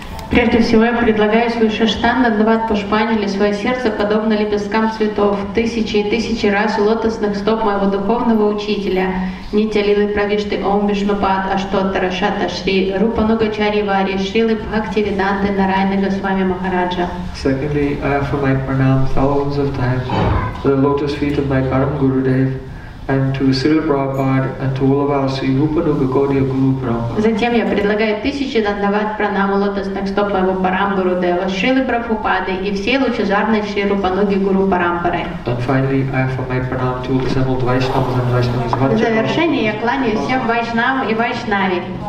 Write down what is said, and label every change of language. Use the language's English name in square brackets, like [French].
[Russian] Прежде всего я предлагаю свою шаштанду отдавать Пушпанджали, свое сердце подобно лепесткам цветов, тысячи и тысячи раз у лотосных стоп моего духовного учителя, Нитя Лилы Правишты Ом Вишнупад Аштоттара Шата Шри Рупа Нугачари Вари Шрилы Бхакти Веданты Нарайны Госвами Махараджа. [English] Secondly, I offer my pranam thousands of times to the lotus feet of my Param Gurudev, and to Srila Prabhupada and to all of us, Sri Rupa Nugakodiya Guru Prabhupada. [Russian] Затем я предлагаю тысячи дандават пранаму лотосных стоп моего Парамгуру Дева, Шрилы Прабхупады и всей лучезарной Шри Рупануги Гуру Парампары. [English] And finally, I offer my pranam to all the assembled Vaishnavas and Vaishnavas. [Russian] В завершение я кланяю всем Вайшнавам и Вайшнаве.